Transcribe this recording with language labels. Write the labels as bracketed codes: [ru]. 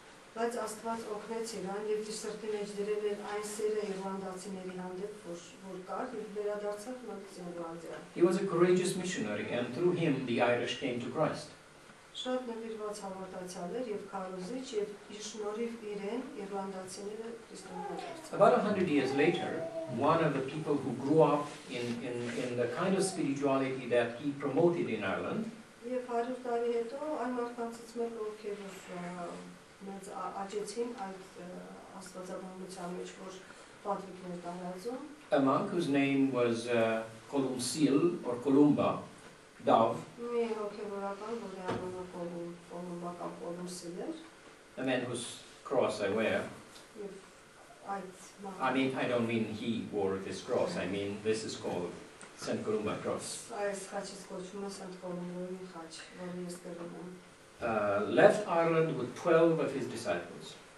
[hy] Բայց Աստված օգնեց իրան եւ սրտի մեջ դրել էր այն սերը իռլանդացիների հանդեպ, որ կար եւ վերադարձավ Իռլանդիա։ [en] He was a courageous missionary and through him the Irish came to Christ. [hy] Շատ նվիրված հավատացյալ էր եւ քարոզիչ եւ շնորհիվ իրեն իռլանդացիները քրիստոնեական դարձան։ [en] About 100 years later, one of the people who grew up in the kind of spirituality that he promoted in Ireland. [hy] Եվ 100 տարի հետո այն մարդկանցից մեկը ովքեր մենք աճեցին այդ աստվածաբանության մեջ, որ պատվիկներ տարածում։ [en] A monk whose name was Columcil or Columba Dove. [hy] Մի հոգևորական, որի անունը Columba կամ Columcil էր։ [en] A man whose cross I wear. I mean, I don't mean he wore this cross. I mean, this is called St. Columba cross. [hy] Այս խաչից կոչվում է St. Columba-ի խաչ, որը ես կրում եմ։ [en] Left Ireland with 12 of his disciples.